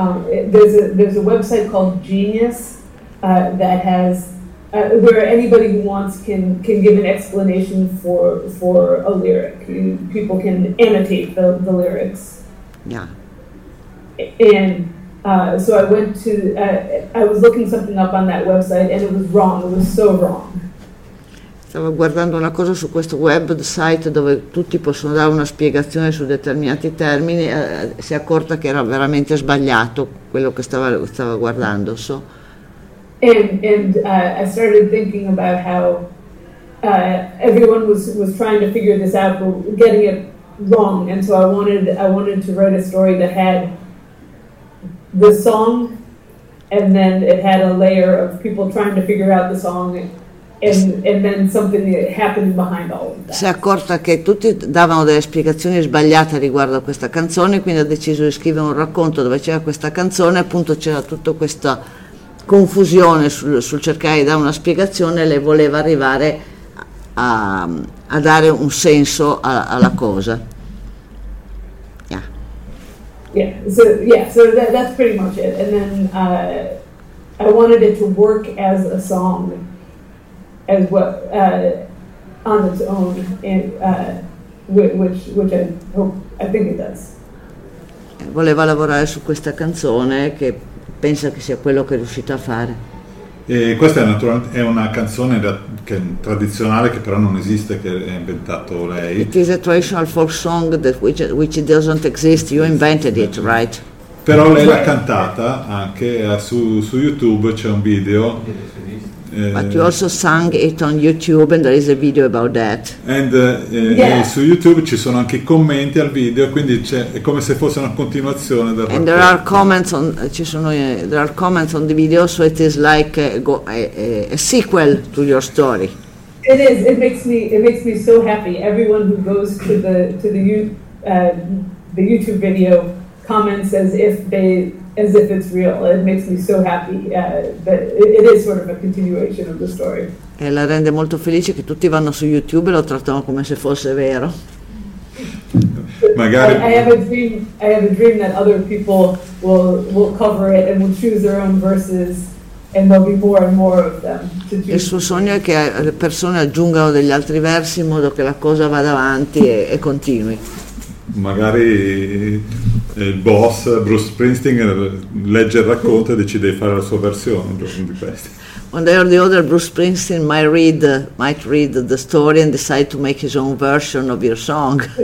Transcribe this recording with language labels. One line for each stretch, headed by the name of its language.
English: There's a website called Genius that has where anybody who wants can give an explanation for a lyric. People can annotate the lyrics. Yeah. And so I went to I was looking something up on that website, and it was wrong. It was so wrong.
Italian: Stavo guardando una cosa su questo website dove tutti possono dare una spiegazione su determinati termini, si è accorta che era veramente sbagliato quello che stava guardando.
English: So. And I started thinking about how everyone was trying to figure this out but getting it wrong, and so I wanted to write a story that had the song and then it had a layer of people trying to figure out the song. And then something happened behind all of that.
Italian: Si è accorta che tutti davano delle spiegazioni sbagliate riguardo a questa canzone, quindi ha deciso di scrivere un racconto dove c'era questa canzone, appunto c'era tutta questa confusione sul cercare di dare una spiegazione, lei voleva arrivare a dare un senso alla cosa.
English: Yeah. Yeah, so that's pretty much it. And then I wanted it to work as a song. As well, on its own, which I hope, I think it does.
Italian: Voleva lavorare su questa canzone che pensa che sia quello che è riuscito a fare. E questa è una canzone che è tradizionale, che però non esiste, che ha inventato lei.
English: It is a traditional folk song that which doesn't exist. You invented it, right?
Italian: Però lei l'ha cantata anche su YouTube. C'è un video.
English: But you also sang it on YouTube, and there is a video about that.
Italian: Su YouTube ci sono anche i commenti al video, quindi è come se fosse una continuazione del racconto.
English: There are comments on there are comments on the video, so it is like a sequel to your story. It is. It makes me so happy. Everyone who goes to the YouTube video comments as if it's real. It makes me so happy that it is sort of a continuation of the story.
Italian: E la rende molto felice che tutti vanno su YouTube e lo trattano come se fosse vero. Magari.
English: I have a dream that other people will cover it and will choose their own verses, and there'll be more and more of them to choose.
Italian: Il suo sogno è che le persone aggiungano degli altri versi in modo che la cosa vada avanti e continui. Magari il boss Bruce Springsteen legge il racconto e decide di fare la sua versione di questi.
English: One day or the other, Bruce Springsteen might read the story and decide to make his own version of your song.